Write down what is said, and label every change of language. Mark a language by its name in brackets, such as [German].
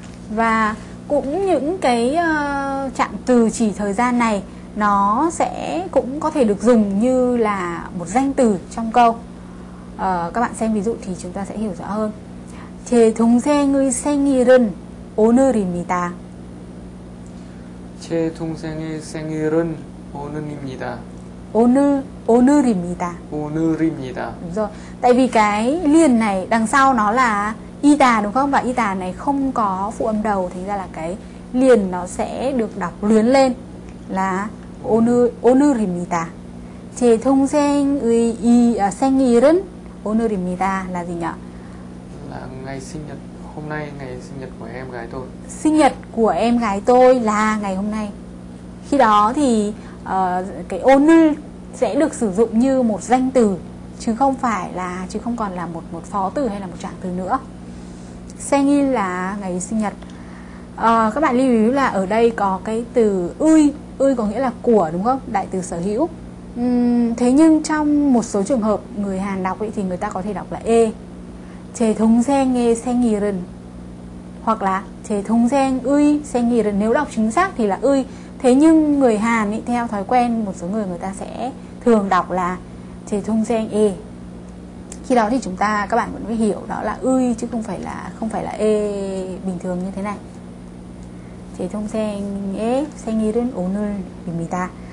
[Vietnamese] và cũng những cái trạng từ chỉ thời gian này nó sẽ cũng có thể được dùng như là một danh từ trong câu. Các bạn xem ví dụ thì chúng ta sẽ hiểu rõ hơn. [Korean] 제 동생의 생일은 오늘입니다. 제 동생의 생일은 오늘입니다. 오늘 오늘입니다. 오늘입니다. [Vietnamese] Tại vì cái liền này đằng sau nó là ida đúng không? Và ida này không có phụ âm đầu, thành ra là cái liền nó sẽ được đọc luyến lên là 오늘입니다. [Korean] 제 동생의 이 생일은 오늘입니다. [Vietnamese] Là gì nhỉ? Là ngày sinh nhật, hôm nay ngày sinh nhật của em gái tôi. Sinh nhật của em gái tôi là ngày hôm nay. Khi đó thì cái 오늘 sẽ được sử dụng như một danh từ, chứ không phải là, chứ không còn là một phó từ hay là một trạng từ nữa. 생일 là ngày sinh nhật. Các bạn lưu ý là ở đây có cái từ 의, 의 có nghĩa là của đúng không? Đại từ sở hữu. Thế nhưng trong một số trường hợp người Hàn đọc ấy, thì người ta có thể đọc là e. [Korean] 제 동생의 생일은, [Vietnamese] hoặc là [Korean] 제 동생의 생일은. [Vietnamese] Nếu đọc chính xác thì là 의. Thế nhưng người Hàn ấy, theo thói quen một số người ta sẽ thường đọc là [Korean] 제 동생 e. [Vietnamese] Khi đó thì chúng ta, các bạn vẫn phải hiểu đó là 의 chứ không phải là e bình thường như thế này. [Korean] 제 동생의 생일은 오늘입니다.